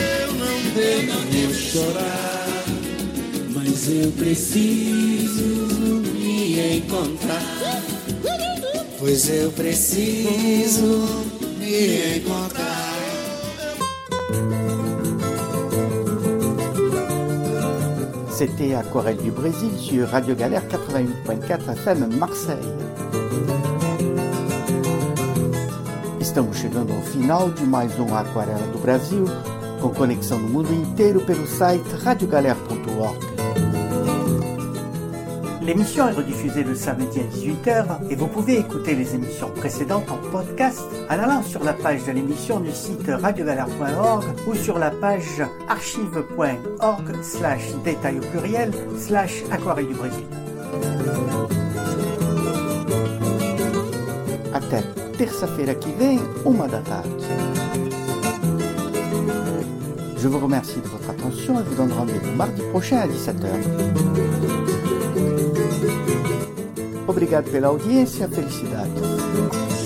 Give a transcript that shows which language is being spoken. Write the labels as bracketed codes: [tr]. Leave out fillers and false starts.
[pt] eu não devo chorar, mas eu preciso me encontrar. Pois eu preciso me encontrar. [fr] C'était Aquarelle du Brésil sur Radio Galère 88.4 FM Marseille. [pt] Estamos chegando ao final de mais um Aquarela do Brasil, com conexão no mundo inteiro pelo site radiogalère.org. [fr] L'émission est rediffusée le samedi à 18h et vous pouvez écouter les émissions précédentes en podcast en allant sur la page de l'émission du site radiogalère.org ou sur la page archive.org/détail au pluriel/aquarelle du Brésil. [pt] Até terça-feira que vem, 1 da tarde. [fr] Je vous remercie de votre attention et vous donne rendez-vous mardi prochain à 17h. [pt] Obrigado pela audiência e felicidade.